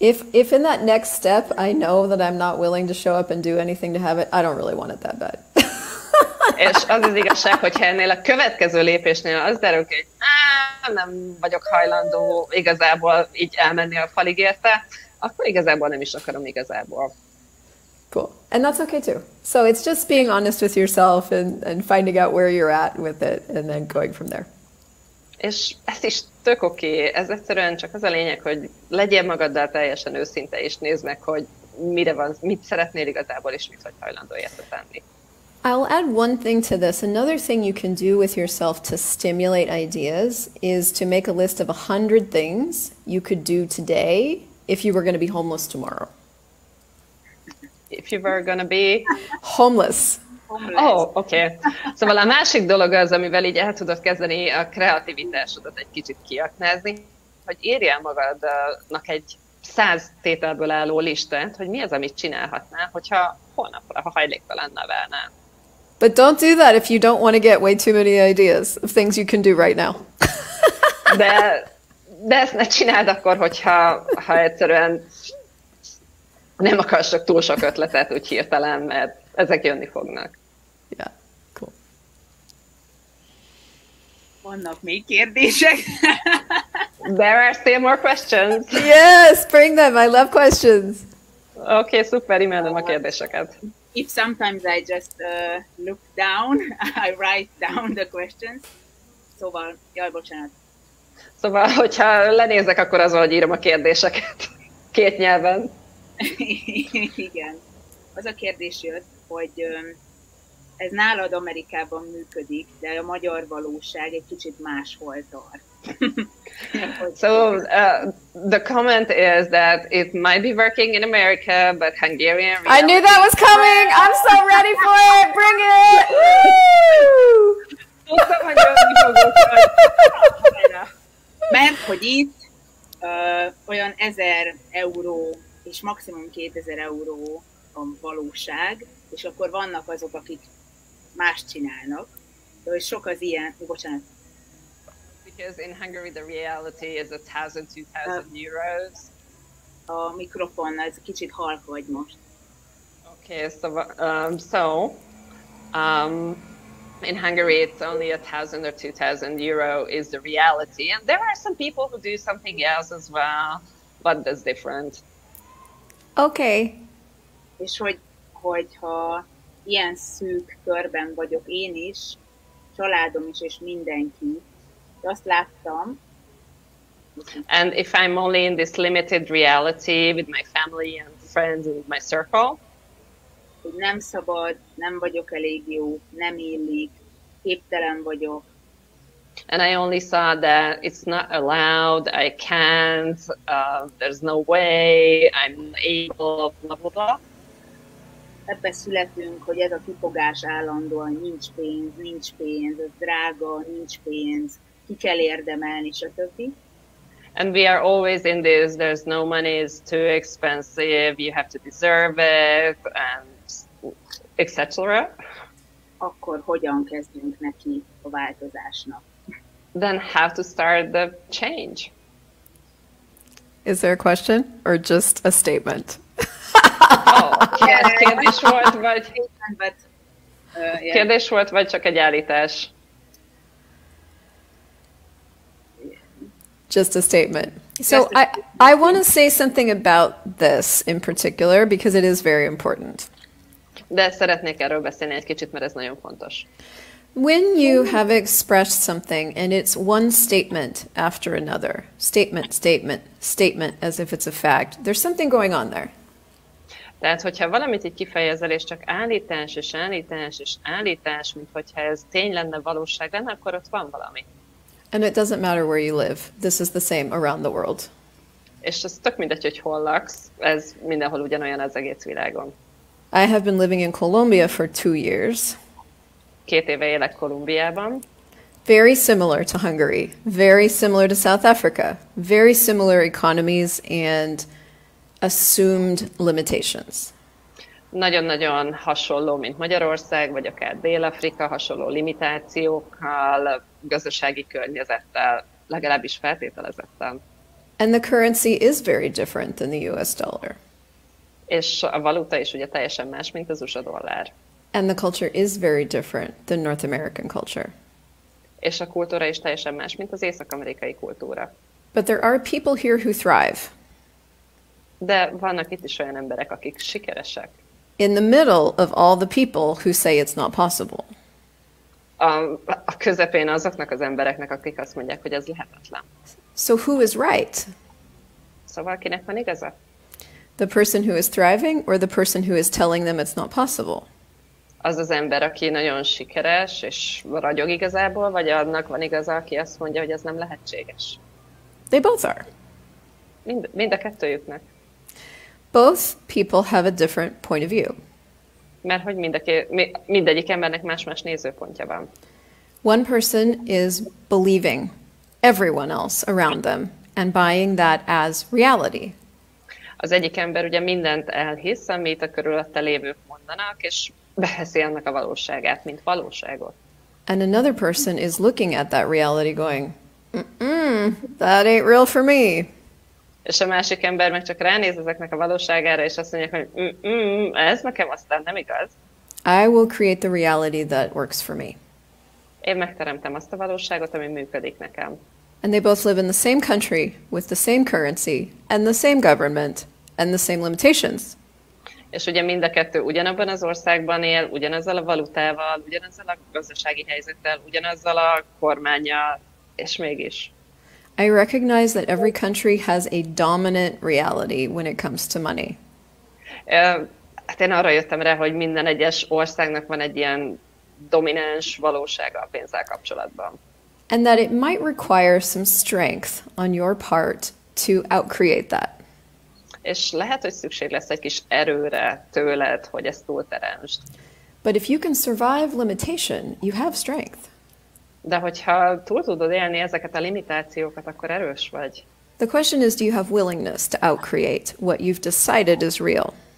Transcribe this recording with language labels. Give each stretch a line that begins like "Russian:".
English: If in that next step I know that I'm not willing to show up and do anything to have it, I don't really want it that bad.
Hungarian: És az az igazság, hogyha ennél a következő lépésnél az derül ki, hogy nem vagyok hajlandó igazából így elmenni a falig érte, akkor igazából nem is akarom igazából.
English: Cool. And that's okay too. So it's just being honest with yourself and finding out where you're at with it and then going from there.
Hungarian: És ez is tök oké. Ez egyszerűen csak az a lényeg, hogy legyél magaddal teljesen őszinte és nézd meg, hogy mire van, mit szeretnél igazából és mit vagy hajlandó érte tenni.
English: I'll add one thing to this. Another thing you can do with yourself to stimulate ideas is to make a list of 100 things you could do today if you were going to be homeless tomorrow. If you were going to be... homeless. Oh, okay.
Hungarian: Szóval a másik dolog az, amivel így el tudod kezdeni a kreativitásodat egy kicsit kiaknázni, hogy írj el magadnak egy 100 tételből álló listát, hogy mi az, amit csinálhatnál, hogyha holnapra hajléktalan nevelnél.
English: But don't do that if you don't want to get way too many ideas of things you can do right now.
Hungarian: De ezt ne csináld akkor, hogyha egyszerűen nem akarsz csak túl sok ötletet úgy hirtelen, mert ezek jönni fognak.
English: Yeah, cool.
Hungarian: Vannak még kérdések?
English: There are still more questions. Yes, bring them. I love questions.
Hungarian: Okay, szuper, imádom a kérdéseket.
English: If sometimes I just look down, I write down the questions.
Hungarian: Szóval, jaj, bocsánat. Szóval, hogyha lenézek, akkor az van, hogy írom a kérdéseket két nyelven. Igen. Az a kérdés jött, hogy ez nálad Amerikában működik, de a magyar valóság egy kicsit máshol tart.
English: So the comment is that it might be working in America, but Hungarian reality. I knew that was coming. I'm so ready for it. Bring it.
Hungarian: Mert hogy itt olyan 1000 euró és maximum 2000 euró a valóság, és akkor vannak azok, akik más csinálnak, de hogy sok az ilyen, bocsánat.
English: Because in Hungary the reality is 1,000-2,000 euros.
Hungarian: A mikrofon, ez kicsit halk vagy most.
English: Okay, so in Hungary it's only 1,000 or 2,000 euro is the reality, and there are some people who do something else as well, but that's different. Okay.
Hungarian: És hogyha ilyen szűk körben vagyok én is, családom is és mindenki. Azt láttam.
English: And if I'm only in this limited reality with my family and friends and my circle,
Hungarian: hogy nem szabad, nem vagyok elég jó, nem illik, képtelen vagyok.
English: And I only saw that it's not allowed, I can't, there's no way, I'm able, blah, blah, blah.
Hungarian: Ebbe születünk, hogy ez a kifogás állandóan, nincs pénz, ez drága, nincs pénz, ki kell érdemelni, stb.
English: And we are always in this, there's no money, it's too expensive, you have to deserve it, and etc.
Hungarian: Akkor hogyan kezdünk neki a változásnak?
English: Then how to start the change? Is there a question or just a statement? Oh, yes,
Hungarian: kérdés volt, vagy... kérdés volt, vagy csak egy állítás?
English: Just a statement. So I want to say something about this in particular because it is very important.
Hungarian: De szeretnék erről beszélni egy kicsit, mert ez nagyon fontos.
English: When you have expressed something and it's one statement after another, statement, statement, statement, as if it's a fact, there's something going on there.
Hungarian: Tehát, hogyha valamit így kifejezel, és csak állítás, és állítás, és állítás, mint hogyha ez tény lenne, valóság lenne, akkor ott van valami.
English: And it doesn't matter where you live. This is the same around the world.
Hungarian: És ez tök mindegy, hogy hol laksz. Ez mindenhol ugyanolyan az egész világon.
English: I have been living in Colombia for 2 years.
Hungarian: 2 éve élek Kolumbiában.
English: Very similar to Hungary. Very similar to South Africa. Very similar economies and assumed limitations.
Hungarian: Nagyon-nagyon hasonló, mint Magyarország, vagy akár Dél-Afrika, hasonló limitációkkal, gazdasági környezettel, legalábbis feltételezettel.
English: And the currency is very different than the US dollar.
Hungarian: És a valuta is ugye teljesen más, mint az USA dollár.
English: And the culture is very different than North American culture.
Hungarian: És a kultúra is teljesen más, mint az észak-amerikai kultúra.
English: But there are people here who thrive.
Hungarian: De vannak itt is olyan emberek, akik sikeresek.
English: In the middle of all the people who say it's not possible.
Hungarian: A közepén azoknak az embereknek, akik azt mondják, hogy ez lehetetlen.
English: So who is right?
Hungarian: Szóval kinek van igaza?
English: The person who is thriving or the person who is telling them it's not possible?
Hungarian: Az az ember, aki nagyon sikeres és ragyog igazából, vagy annak van igaza, aki azt mondja, hogy ez nem lehetséges?
English: They both are.
Hungarian: Mind a kettőjüknek.
English: Both people have a different point of view.
Hungarian: Mert hogy mindegyik embernek más-más nézőpontja van.
English: One person is believing everyone else around them and buying that as reality.
Hungarian: Az egyik ember ugye mindent elhisz, amit a körülötte lévők mondanak, és beheszi annak a valóságát, mint valóságot.
English: And another person is looking at that reality going, that ain't real for me.
Hungarian: És a másik ember meg csak ránéz ezeknek a valóságára, és azt mondja, hogy ez nekem aztán nem igaz.
English: I will create the reality that works for me.
Hungarian: Én megteremtem azt a valóságot, ami működik nekem.
English: And they both live in the same country, with the same currency, and the same government, and the same limitations.
Hungarian: És ugye mind a kettő ugyanabban az országban él, ugyanazzal a valutával, ugyanazzal a gazdasági helyzettel, ugyanazzal a kormánnyal, és mégis.
English: I recognize that every country has a dominant reality when it comes to money.
Hungarian: Hát én arra jöttem rá, hogy minden egyes országnak van egy ilyen domináns valósága a pénzzel kapcsolatban.
English: And that it might require some strength on your part to outcreate that.
Hungarian: És lehet, hogy szükség lesz egy kis erőre tőled, hogy ezt túlteremtsd.
English: But if you can survive limitation, you have strength.
Hungarian: De hogyha túl tudod élni ezeket a limitációkat, akkor erős vagy.
English: The question is, do you have willingness to outcreate what you've decided is real?